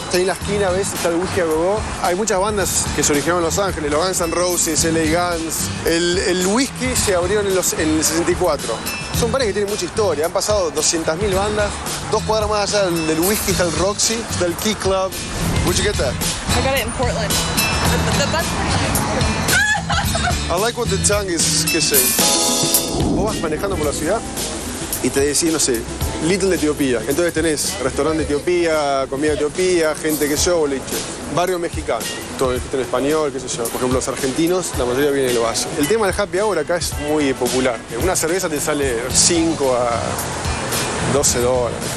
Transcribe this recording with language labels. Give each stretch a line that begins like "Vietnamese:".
Spanish: Ahí en la esquina, ves, está el Whiskey a Go-Go. Hay muchas bandas que se originaron en Los Ángeles, los Guns N' Roses, LA Guns. El Whiskey se abrió en el 64. Son bares que tienen mucha historia, han pasado 200.000 bandas. 2 cuadras más allá del Whiskey está el Roxy, está el Key Club.
English: Where'd you get that? I got it in Portland. The bus station. I like what the tongue is kissing.
Spanish: Vos vas manejando por la ciudad y te decís, no sé, Little de Etiopía. Entonces tenés restaurante de Etiopía, comida de Etiopía, gente, qué sé yo, boliche. Barrio mexicano. Todo esto en español, qué sé yo. Por ejemplo, los argentinos, la mayoría viene del Valle. El tema del happy hour acá es muy popular. Una cerveza te sale 5 a 12 dólares.